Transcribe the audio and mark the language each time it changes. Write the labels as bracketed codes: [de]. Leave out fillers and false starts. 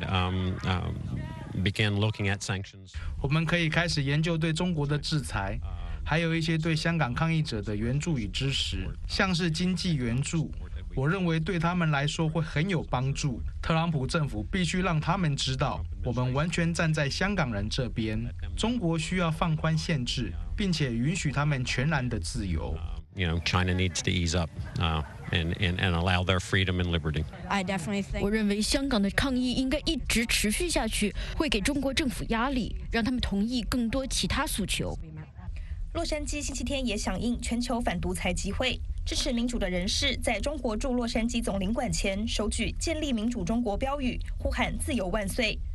[en] We could begin looking at sanctions. [zh] 我们可以开始研究对中国的制裁，还有一些对香港抗议者的援助与支持，像是经济援助，我认为对他们来说会很有帮助。特朗普政府必须让他们知道，我们完全站在香港人这边。中国需要放宽限制，并且允许他们全然的自由。 [en] You know, China needs to ease up, and allow their freedom and liberty. I definitely think. [zh] 我认为香港的抗议应该一直持续下去，会给中国政府压力，让他们同意更多其他诉求。洛杉矶星期天也响应全球反独裁集会。支持民主的人士在中国驻洛杉矶总领馆前手举建立民主中国标语，呼喊自由万岁。